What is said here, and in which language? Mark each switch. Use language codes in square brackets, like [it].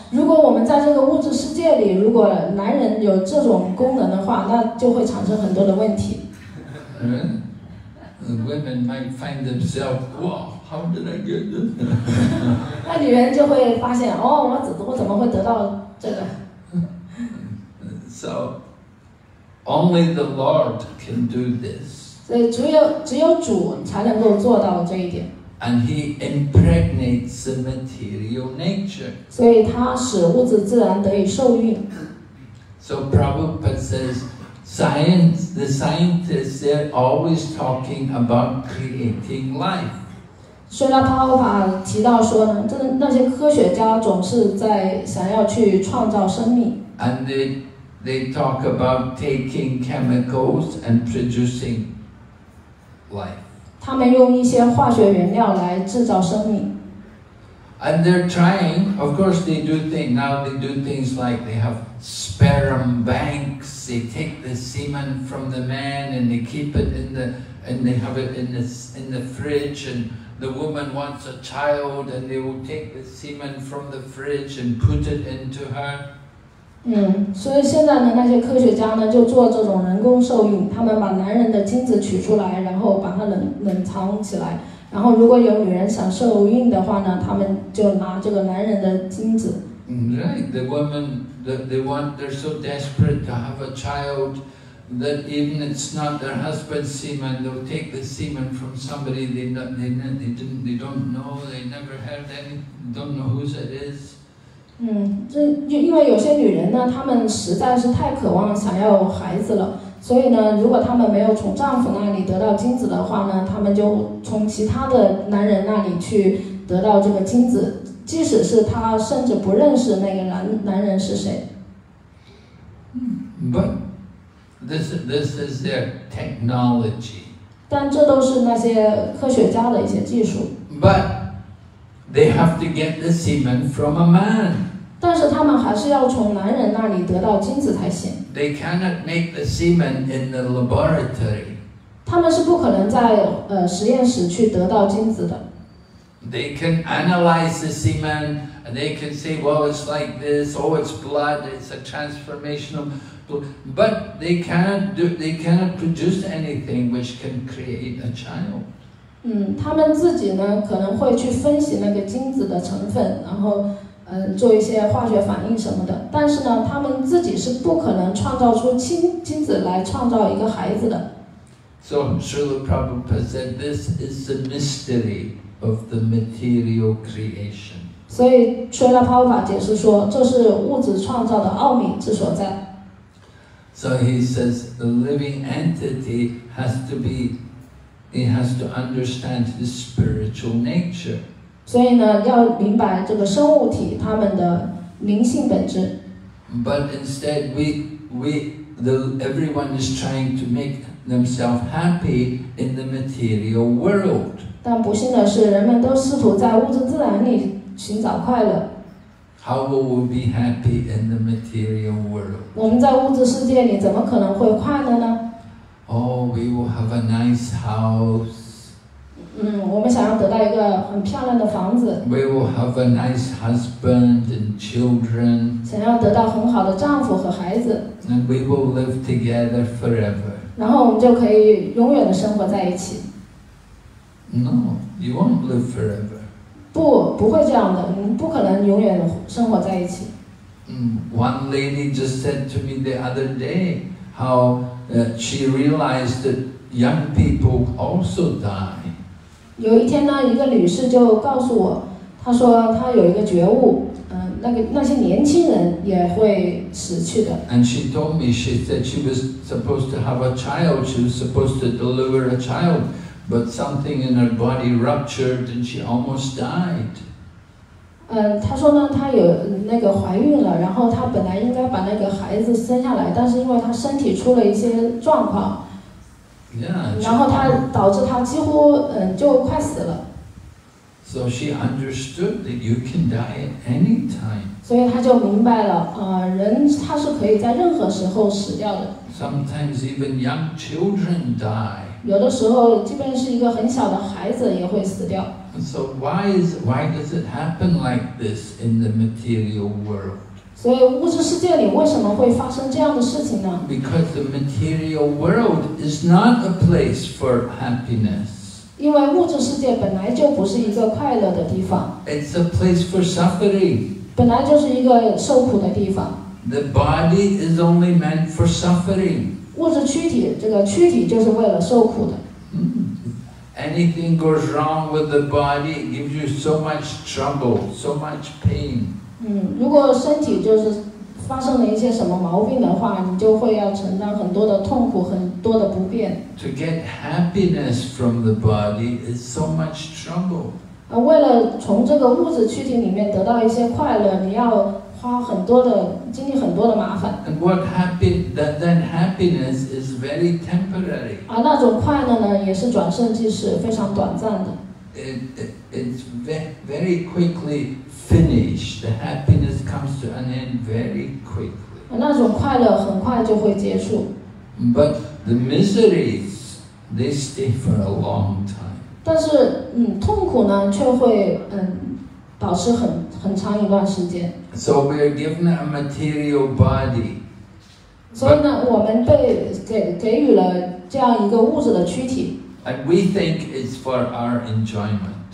[zh] 如果我们在这个物质世界里，如果男人有这种功能的话，那就会产生很多的问题。 [en] Women might find themselves, wow, how did I get this? [zh] 那女人就会发现，哦，我怎么会得到这个？ [en] So, only the Lord can do this. [zh] 所以只有主才能够做到这一点。 [en] And he impregnates the material nature. [zh] 所以他使物质自然得以受孕。 [en] So Prabhupada says, science, the scientists, they're always talking about creating life. [zh] 所以他提到说呢，那些科学家总是在想要去创造生命。 [en] And they talk about taking chemicals and producing life. [zh] 他们用一些化学原料来制造生命。 [en] And they're trying, of course they do things, now they do things like they have sperm banks, they take the semen from the man and they keep it in the, and they have it in the fridge and the woman wants a child and they will take the semen from the fridge and put it into her. [zh] 所以现在呢，那些科学家呢就做这种人工受孕，他们把男人的精子取出来，然后把它冷藏起来，然后如果有女人想受孕的话呢，他们就拿这个男人的精子。 [en] Right, the women, they're so desperate to have a child that even if it's not their husband's semen, they'll take the semen from somebody they don't know, they never heard any, don't know whose it is. [zh] 因为有些女人呢，她们实在是太渴望想要孩子了，所以呢，如果他们没有从丈夫那里得到精子的话呢，他们就从其他的男人那里去得到这个精子，即使是他甚至不认识那个 男人是谁。 [en] But this is their technology. [zh] 但这都是那些科学家的一些技术。 [en] But they have to get the semen from a man. [zh] 但是他们还是要从男人那里得到精子才行。 [en] They cannot make the semen in the laboratory. [zh] 他们是不可能在实验室去得到精子的。 [en] They can analyze the semen, and they can say, well, it's like this, oh, it's blood, it's a transformational blood. But they cannot produce anything which can create a child. [zh] 他们自己呢可能会去分析那个精子的成分，然后做一些化学反应什么的，但是呢他们自己是不可能创造出精子来创造一个孩子的。 [en] So Srila Prabhupada said, this is the mystery of the material creation. [zh] 所以 Srila Prabhupada 解释说，这是物质创造的奥秘之所在。 [en] So he says, the living entity has to be, he has to understand his spiritual nature. [zh] 所以呢，要明白这个生物体它们的灵性本质。 [en] But instead, everyone is trying to make themselves happy in the material world. [zh] 但不幸的是，人们都试图在物质自然里寻找快乐。 [en] How will we be happy in the material world? [zh] 我们在物质世界里怎么可能会快乐呢？ [en] Oh, we will have a nice house. [zh] 我们想要得到一个很漂亮的房子。 [en] We will have a nice husband and children. [zh] 想要得到很好的丈夫和孩子。 [en] And we will live together forever. [zh] 然后我们就可以永远的生活在一起。 [en] No, you won't live forever. [zh] 不会这样的，不可能永远生活在一起。 [en] One lady just said to me the other day how she realized that young people also die. [zh] 有一天呢，一个女士就告诉我，她说她有一个觉悟，那些年轻人也会死去的。 [en] And she told me, she said she was supposed to have a child, she was supposed to deliver a child, but something in her body ruptured and she almost died. [zh] 她说呢，她有那个怀孕了，然后她本来应该把那个孩子生下来，但是因为她身体出了一些状况。 Yeah, 然后他导致他几乎就快死了。 [en] So she understood that you can die at any time. [zh] 所以他就明白了，人他是可以在任何时候死掉的。 [en] Sometimes even young children die. [zh] 有的时候，即便是一个很小的孩子也会死掉。 [en] So why does it happen like this in the material world? [zh] 所以物质世界里为什么会发生这样的事情呢？ [en] Because the material world is not a place for happiness. [zh] 因为物质世界本来就不是一个快乐的地方。 [en] It's a place for suffering. [zh] 本来就是一个受苦的地方。 [en] The body is only meant for suffering. [zh] 物质躯体，这个躯体就是为了受苦的。 [en] Anything goes wrong with the body, it gives you so much trouble, so much pain. [zh] 如果身体就是发生了一些什么毛病的话，你就会要承担很多的痛苦，很多的不便。 [en] To get happiness from the body is so much trouble. [zh] 为了从这个物质躯体里面得到一些快乐，你要花很多的，经历很多的麻烦。 [en] And what then happiness is very temporary. 那种快乐呢，也是转瞬即逝，非常短暂的。 It's very quickly finished. The happiness comes to an end very quickly. [zh] 那种快乐很快就会结束。 [en] But the miseries, they stay for a long time. [zh] 但是痛苦呢却会保持很长一段时间。 [en] So we are given a material body. [zh] 所以呢，我们被给予了这样一个物质的躯体。 [en] And we think it's for our enjoyment.